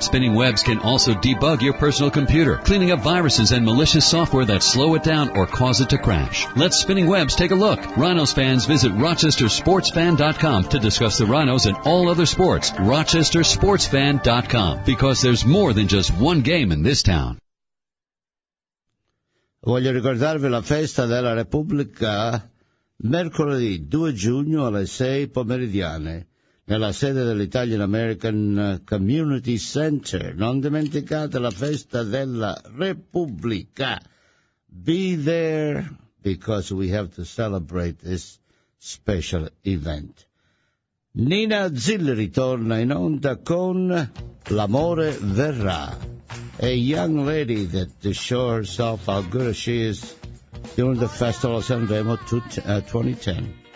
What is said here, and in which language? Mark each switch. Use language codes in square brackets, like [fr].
[en] Spinning Web's can also debug your personal computer, cleaning up viruses and malicious software that slow it down or cause it to crash. Let Spinning Web's take a look. Rhinos fans, visit rochestersportsfan.com to discuss the Rhinos and all other sports. RochesterSportsFan.com, because there's more than just one game in this town. [it] Voglio ricordarvi la festa della Repubblica mercoledì 2 giugno alle 6 pomeridiane nella sede dell'Italian American Community Center. Non dimenticate la festa della Repubblica. [en] Be there, because we have to celebrate this special event. [it] Nina Zilli torna in onda con L'amore verrà. [en] A young lady that shows herself how good she is during the Festival of Sanremo 2010.